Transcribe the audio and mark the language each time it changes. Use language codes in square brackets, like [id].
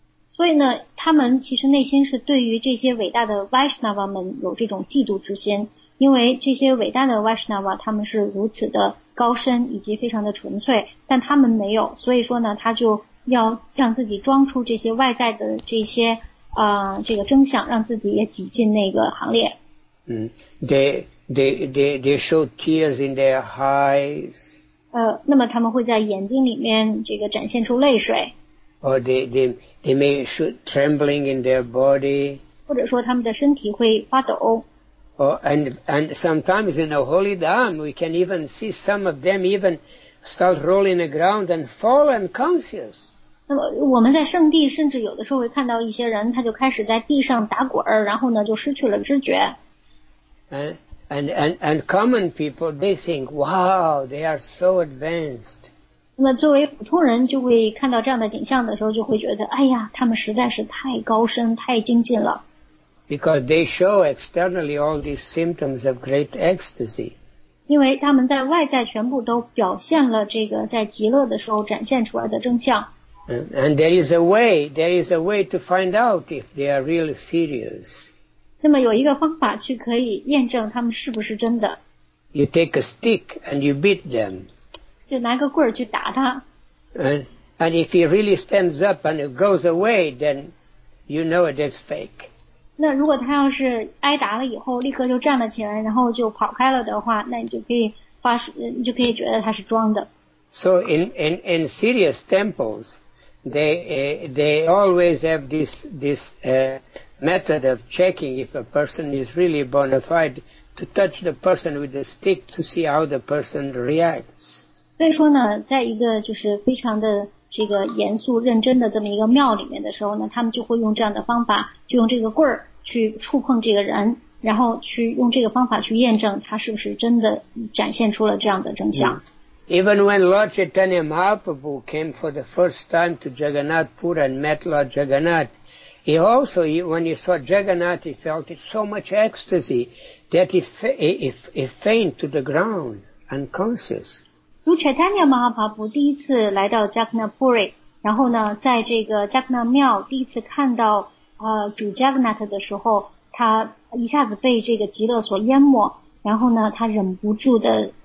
[zh] 所以呢，他们其实内心是对于这些伟大的 Vaishnava 们有这种嫉妒之心，因为这些伟大的 Vaishnava 他们是如此的高深以及非常的纯粹，但他们没有，所以说呢，他就要让自己装出这些外在的这些这个征象，让自己也挤进那个行列。 [en] They show tears in their eyes. [zh] 那么他们会在眼睛里面这个展现出泪水。 [en] Or they may show trembling in their body. [zh] 或者说他们的身体会发抖。 [en] And sometimes in a holy dham, we can even see some of them even start rolling the ground and fall unconscious. [zh] 那么我们在圣地甚至有的时候会看到一些人，他就开始在地上打滚，然后呢就失去了知觉。 [en] And common people, they think, wow, they are so advanced. [zh] 那么作为普通人就会看到这样的景象的时候，就会觉得，哎呀，他们实在是太高深，太精进了。 [en] Because they show externally all these symptoms of great ecstasy. [zh] 因为他们在外在全部都表现了这个在极乐的时候展现出来的征象。 [en] And there is a way to find out if they are really serious. [zh] 那么有一个方法去可以验证他们是不是真的。 [en] You take a stick and you beat them. [zh] 就拿个棍儿去打他。 [en] And if he really stands up and it goes away, then you know it is fake. [zh] 那如果他要是挨打了以后立刻就站了起来然后就跑开了的话那你就可以发你就可以觉得他是装的。 [en] So in serious temples, they always have this method of checking if a person is really bona fide to touch the person with a stick to see how the person reacts. [zh] 所以说呢，在一个就是非常的这个严肃认真的这么一个庙里面的时候呢，他们就会用这样的方法，就用这个棍儿去触碰这个人，然后去用这个方法去验证他是不是真的展现出了这样的真相。 Mm. [en] Even when Lord Chaitanya Mahaprabhu came for the first time to Jagannath Pura and met Lord Jagannath, when he saw Jagannath, he felt so much ecstasy that he fainted to the ground, unconscious. [zh] Lord Chaitanya Mahaprabhu 第一次来到 Jagannath Puri, 然后呢，在这个 Jagannath 庙第一次看到主 Jagannath 的时候，他一下子被这个极乐所淹没，然后呢，他忍不住的。